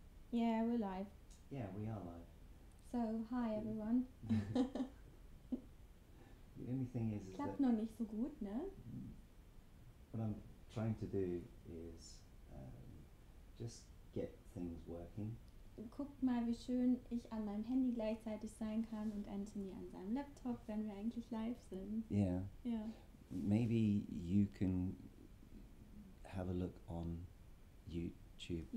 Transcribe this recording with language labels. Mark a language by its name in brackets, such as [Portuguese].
[English] Yeah, we're live. Yeah, we are live. So, hi everyone. The only thing is. [German] Klappt noch nicht so gut, ne? [English] What I'm trying to do is just get things working. [German] Guck mal, wie schön ich an meinem Handy gleichzeitig sein kann und Anthony an seinem Laptop, wenn wir eigentlich live sind. [English] Yeah. Yeah. Maybe you can have a look on YouTube.